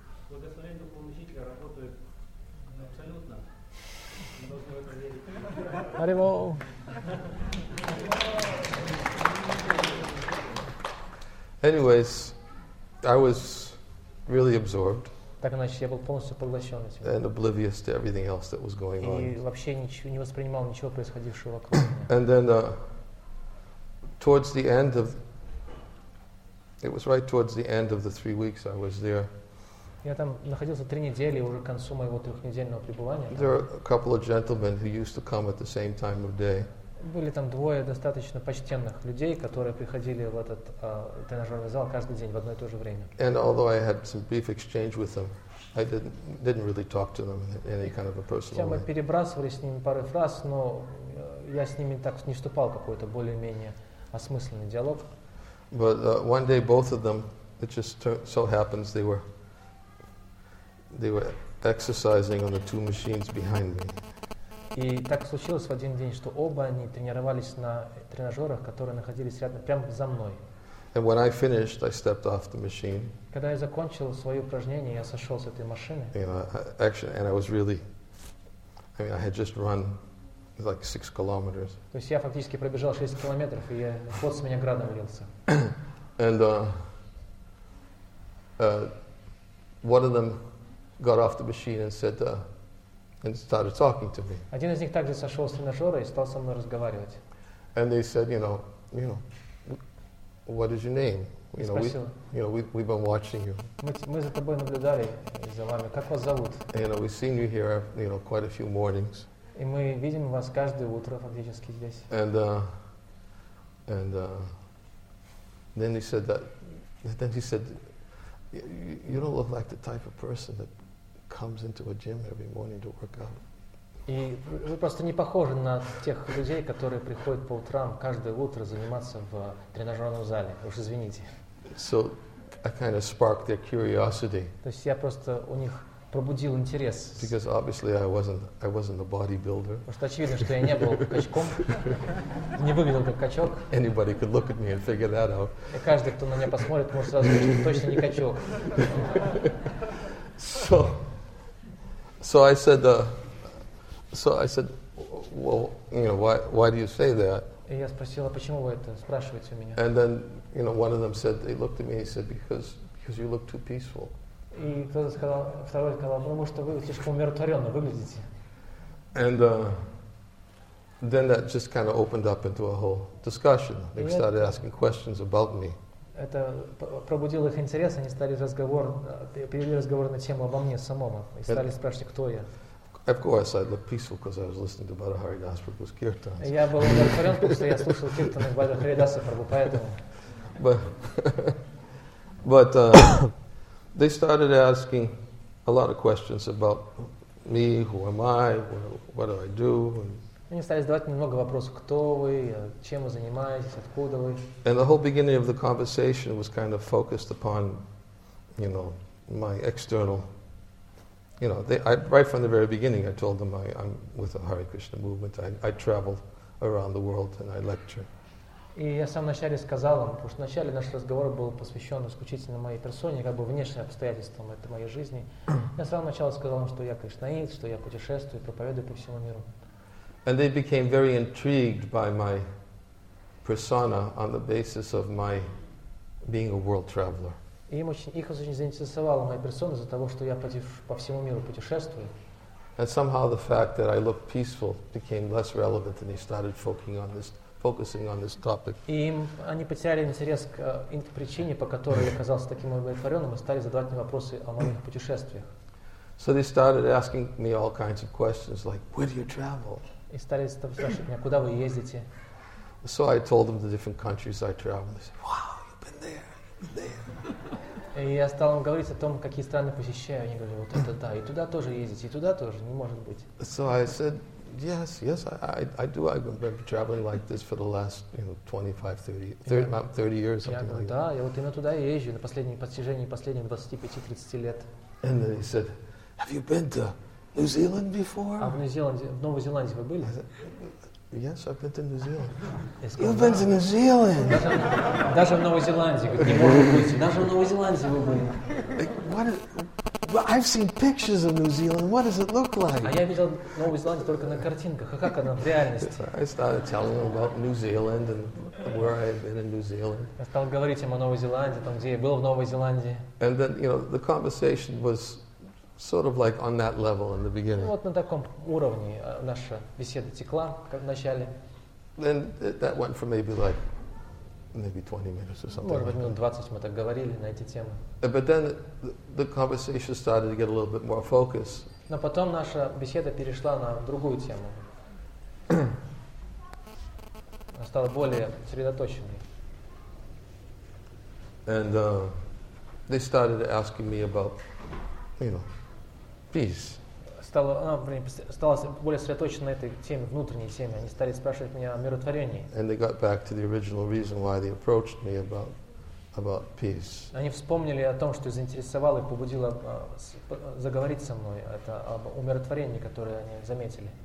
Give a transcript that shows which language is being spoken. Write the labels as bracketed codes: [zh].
[ru] Благословение духовного учителя работает абсолютно. Мы должны в это верить. Аривоу! [en] Anyways, I was really absorbed. [ru] Так, значит, я был полностью поглощен этим. [en] And oblivious to everything else that was going on. [ru] И вообще ничего не воспринимал ничего происходившего вокруг меня. [en] And then towards the end of it was right towards the end of the 3 weeks I was there. [ru] Я там находился 3 недели уже к концу моего трехнедельного пребывания. [en] There were a couple of gentlemen who used to come at the same time of day. [ru] Были там двое достаточно почтенных людей, которые приходили в этот тренажерный зал каждый день в одно и то же время. [en] And although I had some brief exchange with them, I didn't really talk to them in any kind of a personal way. [ru] Мы перебрасывали с ними пару фраз, но я с ними так не вступал в какой-то более-менее осмысленный диалог. [en] But one day both of them, it just so happens they were exercising on the two machines behind me. [ru] И так случилось в один день, что оба они тренировались на тренажерах, которые находились рядом, прямо за мной. [en] And when I finished, I stepped off the machine. [ru] Когда я закончил свое упражнение, я сошел с этой машины. [en] You know, actually, and I was really, I mean, I had just run like 6 kilometers. [ru] То есть я фактически пробежал 6 километров, и пот с меня градом лился. [en] And one of them got off the machine and said, and started talking to me. [ru] Один из них также сошел с тренажера и стал со мной разговаривать. [en] And they said, you know, what is your name? We've been watching you. [ru] Мы за тобой наблюдали, за вами. Как вас зовут? [en] You know, we've seen you here, you know, quite a few mornings. [ru] И мы видим вас каждое утро фактически здесь. [en] Then he said, you don't look like the type of person that comes into a gym every morning to work out. [ru] И вы просто не похожи на тех людей, которые приходят по утрам каждое утро заниматься в тренажерном зале. Уж извините. [en] So I kind of sparked their curiosity. [ru] То есть я просто у них пробудил интерес. [en] Because obviously I wasn't a bodybuilder. [ru] Потому что очевидно, что я не был качком, не выглядел как качок. [en] Anybody could look at me and figure that out. [ru] И каждый, кто на меня посмотрит, может сразу сказать, что точно не качок. [en] So I said, well, you know, why do you say that? [ru] И я спросила, почему вы это спрашиваете у меня? [en] And then, you know, one of them said, they looked at me and said, because you look too peaceful. [ru] И кто-то сказал, второй сказал, потому что вы слишком умиротворенно выглядите. [en] And then that just kind of opened up into a whole discussion. They started asking questions about me. [ru] Это пробудило их интерес, они стали разговор, перевели разговор на тему обо мне самом, и стали спрашивать, кто я. [en] Of course, I looked peaceful because I was listening to Bada Haridas Prabhu's kirtans. [ru] Я был умиротворен, потому что я слушал киртаны Бада Харидаса Прабху, поэтому. [en] But they started asking a lot of questions about me, who am I, what do I do. [ru] Они стали задавать много вопросов, кто вы, чем вы занимаетесь, откуда вы. [en] And the whole beginning of the conversation was kind of focused upon, you know, my external, you know, right from the very beginning I told them I'm with the Hare Krishna movement, I travel around the world and I lecture. [ru] И я в самом начале сказал им, потому что вначале наш разговор был посвящен исключительно моей персоне, как бы внешним обстоятельствам этой моей жизни. Я с самого начала сказал им, что я кришнаит, что я путешествую, проповедую по всему миру. [en] And they became very intrigued by my persona on the basis of my being a world traveler. [ru] И их очень заинтересовала моя персона из-за того, что я по всему миру путешествую. [en] And somehow the fact that I looked peaceful became less relevant, and they started focusing on this topic. [ru] И они потеряли интерес к причине, по которой я оказался таким удовлетворенным, и стали задавать мне вопросы о моих путешествиях. [en] So they started asking me all kinds of questions, like, where do you travel? [ru] И стали спрашивать меня, куда вы ездите? [en] So I told them the different countries I travel. They said, wow, you've been there, [ru] И я стал им говорить о том, какие страны посещаю. Они говорили, вот это да, и туда тоже ездите, и туда тоже, не может быть. [en] So I said, Yes, I do. I've been traveling like this for the last, you know, 25, 30 years, something like that. [ru] Да, я вот именно туда и езжу на последние постижения, последние 25-30 лет. [en] And then he said, "Have you been to New Zealand before?" [ru] А в Нью-Зеландии, в Новой Зеландии вы были? [en] Yes, I've been to New Zealand. You've been to New Zealand. [ru] Даже в Новой Зеландии, не может быть. Даже в Новой Зеландии вы были. [en] Well, I've seen pictures of New Zealand. What does it look like? [ru] А я видел Новую Зеландию только на картинках. А как она в реальности? [en] I started telling them about New Zealand and where I had been in New Zealand. [ru] Я стал говорить им о Новой Зеландии, там, где я был в Новой Зеландии. [en] And then, you know, the conversation was sort of like on that level in the beginning. [ru] Вот на таком уровне наша беседа текла, как в начале. [en] Then that went for maybe 20 minutes or something. [ru] Может быть, минут 20 мы так говорили на эти темы. [en] But then the conversation started to get a little bit more focused. [ru] Но потом наша беседа перешла на другую тему. Она стала более сосредоточенной. [en] And they started asking me about, you know, peace. [ru] Стала более сосредоточена на этой теме, внутренней теме. Они стали спрашивать меня о миротворении. [en] And they got back to the original reason why they approached me about peace. [ru] Они вспомнили о том, что заинтересовало и побудило заговорить со мной. Это об умиротворении, которое они заметили.